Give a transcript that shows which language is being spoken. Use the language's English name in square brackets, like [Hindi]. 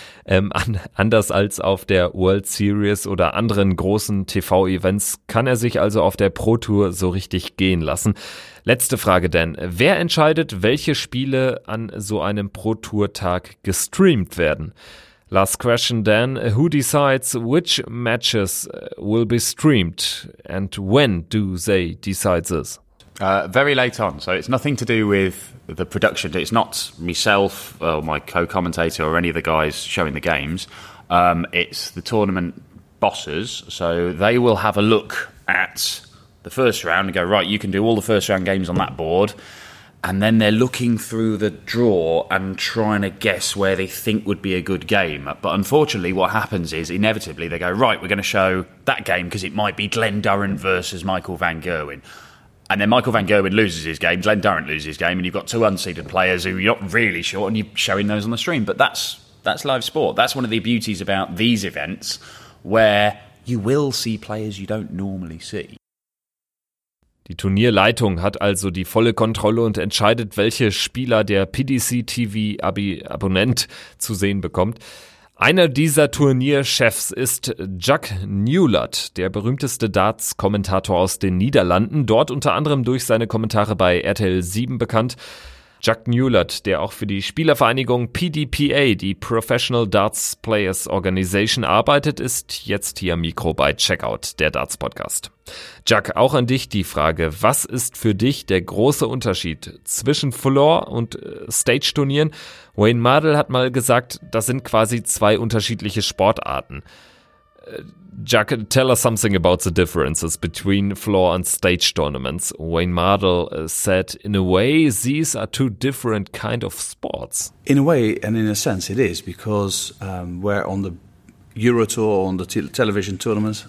[German] Anders als auf der World Series oder anderen großen TV-Events kann er sich also auf der Pro Tour so richtig gehen lassen. Letzte Frage, Dan. Wer entscheidet, welche Spiele an so einem Pro Tour-Tag gestreamt werden? [English] Last question, Dan. Who decides which matches will be streamed and when do they decide this? Very late on, so it's nothing to do with the production. It's not myself or my co-commentator or any of the guys showing the games. It's the tournament bosses, so they will have a look at the first round and go, right, you can do all the first round games on that board. And then they're looking through the draw and trying to guess where they think would be a good game. But unfortunately, what happens is, inevitably, they go, right, we're going to show that game because it might be Glenn Durrant versus Michael van Gerwen. And then Michael van Gerwen loses his game, Glenn Durrant loses his game, and you've got two unseeded players who you're not really sure, and you're showing those on the stream. But that's live sport. That's one of the beauties about these events, where you will see players you don't normally see. [German] Die Turnierleitung hat also die volle Kontrolle und entscheidet, welche Spieler der PDC-TV-Abonnent zu sehen bekommt. Einer dieser Turnierchefs ist Jack Newlat, der berühmteste Darts-Kommentator aus den Niederlanden, dort unter anderem durch seine Kommentare bei RTL 7 bekannt. Jack Newlat, der auch für die Spielervereinigung PDPA, die Professional Darts Players Organization, arbeitet, ist jetzt hier am Mikro bei Checkout, der Darts-Podcast. Jack, auch an dich die Frage, was ist für dich der große Unterschied zwischen Floor- und Stage-Turnieren? Wayne Mardell hat mal gesagt, das sind quasi zwei unterschiedliche Sportarten. [English] Jack, tell us something about the differences between floor and stage tournaments. Wayne Mardell said, in a way, these are two different kind of sports. In a way, and in a sense, it is, because we're on the Euro Tour, on the television tournaments.